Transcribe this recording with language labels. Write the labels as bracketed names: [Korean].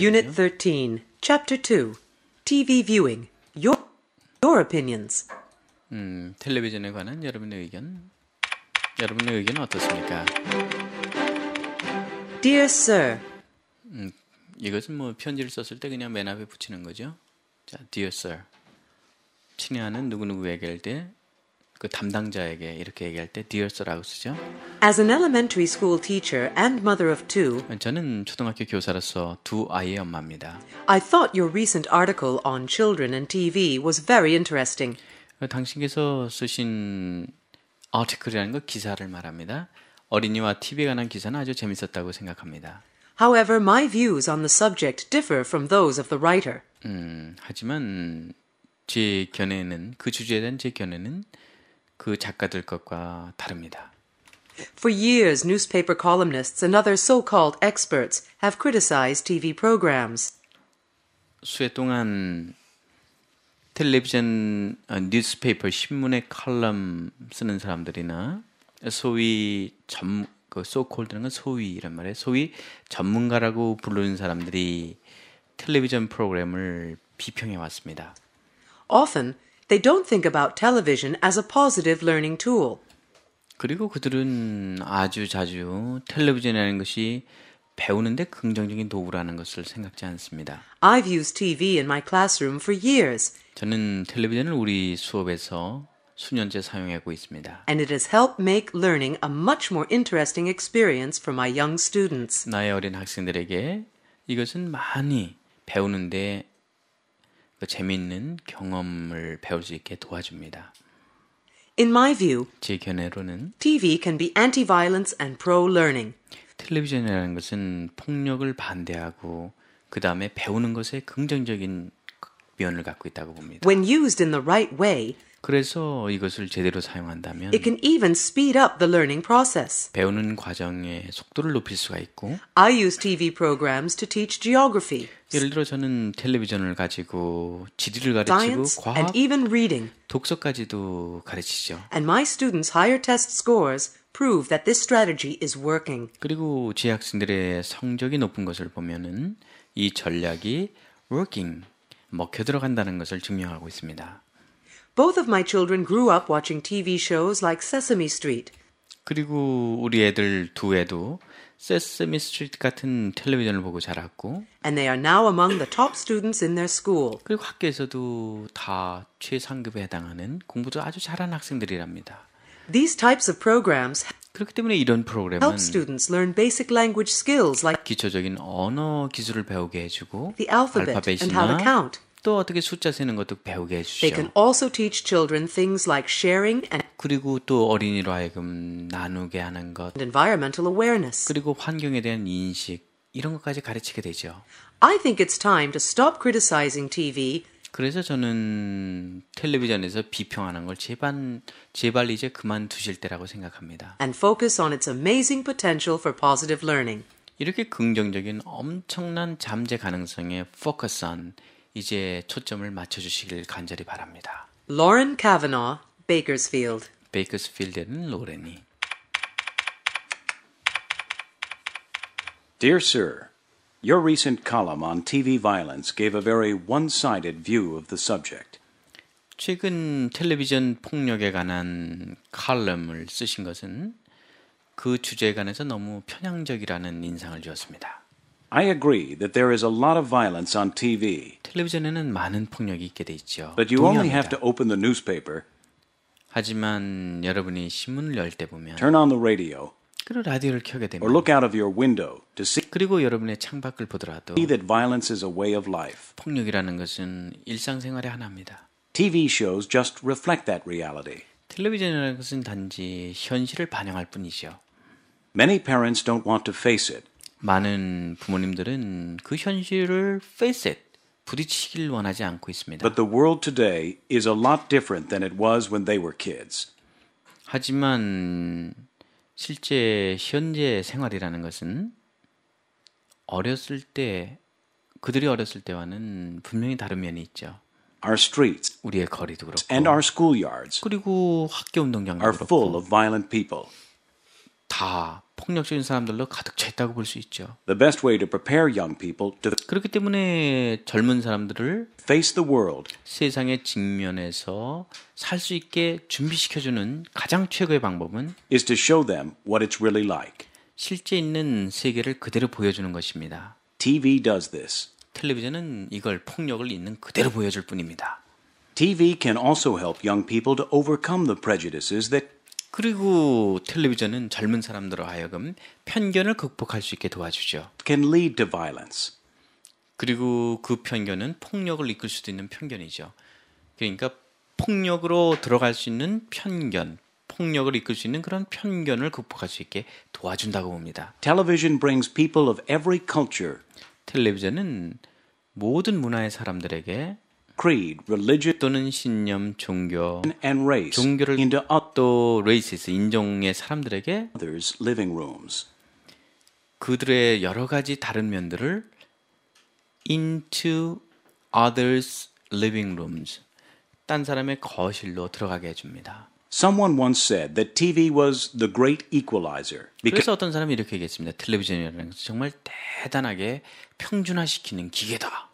[English] Unit 13, Chapter 2, TV Viewing, Your Opinions. [Korean] 텔레비전에 관한 여러분의 의견. 여러분의 의견은 어떻습니까? [English] Dear Sir. [Korean] 이것은 뭐 편지를 썼을 때 그냥 맨 앞에 붙이는 거죠. [English] 자, Dear Sir. [Korean] 친애하는 누구누구에게 할 때 그 담당자에게 이렇게 얘기할 때 Dear Sir라고 쓰죠. [English] As an elementary school teacher and mother of two, [Korean] 저는 초등학교 교사로서 두 아이의 엄마입니다. [English] I thought your recent article on children and TV was very interesting. [Korean] 당신께서 쓰신 article이라는 거 기사를 말합니다. 어린이와 TV에 관한 기사는 아주 재밌었다고 생각합니다. [English] However, my views on the subject differ from those of the writer. [Korean] 하지만 제 견해는 그 주제에 대한 제 견해는 그 작가들 것과 다릅니다. [English] For years, newspaper columnists and other so-called experts have criticized TV programs. [Korean] 수해 동안 텔레비전, newspaper 신문의 칼럼 쓰는 사람들이나 소위 전 그 so-called는 소위란 말에 소위 전문가라고 부르는 사람들이 텔레비전 프로그램을 비평해 왔습니다. [English] Often they don't think about television as a positive learning tool. [Korean] 그리고 그들은 아주 자주 텔레비전이라는 것이 배우는 데 긍정적인 도구라는 것을 생각지 않습니다. [English] I've used TV in my classroom for years. [Korean] 저는 텔레비전을 우리 수업에서 수년째 사용하고 있습니다. [English] And it has helped make learning a much more interesting experience for my young students. [Korean] 나의 어린 학생들에게 이것은 많이 배우는 데 그 재미있는 경험을 배울 수 있게 도와줍니다. [English] In my view, [Korean] 제 견해로는 [English] TV can be anti-violence and pro-learning. [Korean] 텔레비전이라는 것은 폭력을 반대하고 그 다음에 배우는 것에 긍정적인 면을 갖고 있다고 봅니다. [English] When used in the right way, [Korean] 그래서 이것을 제대로 사용한다면 [English] it can even speed up the learning process. [Korean] 배우는 과정의 속도를 높일 수가 있고 [English] I use TV programs to teach geography. [Korean] 예를 들어 저는 텔레비전을 가지고 지리를 가르치고 [English] science, [Korean] 과학, [English] and even reading. [Korean] 독서까지도 가르치죠. [English] And my students' higher test scores prove that this strategy is working. [Korean] 그리고 제 학생들의 성적이 높은 것을 보면은 이 전략이 working, 먹혀 들어간다는 것을 증명하고 있습니다. [English] Both of my children grew up watching TV shows like Sesame Street. [Korean] 그리고 우리 애들 두 애도 Sesame Street 같은 텔레비전을 보고 자랐고 [English] And they are now among the top students in their school. [Korean] 그리고 학교에서도 다 최상급에 해당하는 공부도 아주 잘하는 학생들이랍니다. [English] These types of programs [Korean] 그렇기 때문에 이런 프로그램은 [English] help students learn basic language skills like [Korean] 기초적인 언어 기술을 배우게 해 주고 [English] the alphabet [Korean] 알파벳이나 [English] and how to count. [Korean] 또 어떻게 숫자 세는 것도 배우게 해주죠. [English] They can also teach children things like sharing and [Korean] 그리고 또 어린이로 하여금 나누게 하는 것 [English] and environmental awareness. [Korean] 그리고 환경에 대한 인식 이런 것까지 가르치게 되죠. [English] I think it's time to stop criticizing TV. [Korean] 그래서 저는 텔레비전에서 비평하는 걸 제발 이제 그만두실 때라고 생각합니다. [English] And focus on its amazing potential for positive learning. [Korean] 이렇게 긍정적인 엄청난 잠재 가능성에 [English] focus on [Korean] 이제 초점을 맞춰 주시길 간절히 바랍니다. [English] Lauren Cavanaugh, Bakersfield. [Korean] Bakersfield에는 로렌이. [English] Dear Sir, your recent column on TV violence gave a very one-sided view of the subject. [Korean] 최근 텔레비전 폭력에 관한 칼럼을 쓰신 것은 그 주제에 관해서 너무 편향적이라는 인상을 주었습니다. [English] I agree that there is a lot of violence on TV. [Korean] 텔레비전에는 많은 폭력이 있게 돼 있죠. [English] But you [Korean] 동의합니다. [English] only have to open the newspaper. [Korean] 하지만 여러분이 신문을 열 때 보면 [English] turn on the radio. [Korean] 그리고 라디오를 켜게 되면 [English] or look out of your window to see [Korean] 그리고 여러분의 창밖을 보더라도 [English] see that violence is a way of life. [Korean] 폭력이라는 것은 일상생활의 하나입니다. [English] TV shows just reflect that reality. [Korean] 텔레비전이라는 것은 단지 현실을 반영할 뿐이죠. [English] Many parents don't want to face it. [Korean] 많은 부모님들은 그 현실을 [English] face it, [Korean] 부딪히길 원하지 않고 있습니다. [English] But the world today is a lot different than it was when they were kids. [Korean] 하지만 실제 현재 생활이라는 것은 어렸을 때 그들이 어렸을 때와는 분명히 다른 면이 있죠. [English] Our streets, [Korean] 우리의 거리도 그렇고, [English] and our schoolyards, [Korean] 그리고 학교 운동장도 [English] are [Korean] 그렇고, [English] full of violent people. [Korean] 다 폭력적인 사람들로 가득 차 있다고 볼 수 있죠. [English] The best way to prepare young people to [Korean] 그렇기 때문에 젊은 사람들을 [English] face the world [Korean] 세상에 직면해서 살 수 있게 준비시켜 주는 가장 최고의 방법은 [English] is to show them what it's really like. [Korean] 실제 있는 세계를 그대로 보여 주는 것입니다. [English] TV does this. [Korean] 텔레비전은 이걸 폭력을 있는 그대로 보여 줄 뿐입니다. [English] TV can also help young people to overcome the prejudices that [Korean] 그리고 텔레비전은 젊은 사람들로 하여금 편견을 극복할 수 있게 도와주죠. [English] Can lead to violence. [Korean] 그리고 그 편견은 폭력을 이끌 수도 있는 편견이죠. 그러니까 폭력으로 들어갈 수 있는 편견, 폭력을 이끌 수 있는 그런 편견을 극복할 수 있게 도와준다고 봅니다. [English] Television brings people of every culture. [Korean] 텔레비전은 모든 문화의 사람들에게 [English] creed, religion, [Korean] 또는 신념, 종교, [English] and race, [Korean] 종교를 into 또 races, 인종의 사람들에게 [English] others living rooms. [Korean] 그들의 여러 가지 다른 면들을 [English] into others living rooms, [Korean] 딴 사람의 거실로 들어가게 해줍니다. [English] Someone once said that TV was the great equalizer. [Korean] 그래서 어떤 사람이 이렇게 얘기했습니다. 텔레비전이라는 것은 정말 대단하게 평준화시키는 기계다.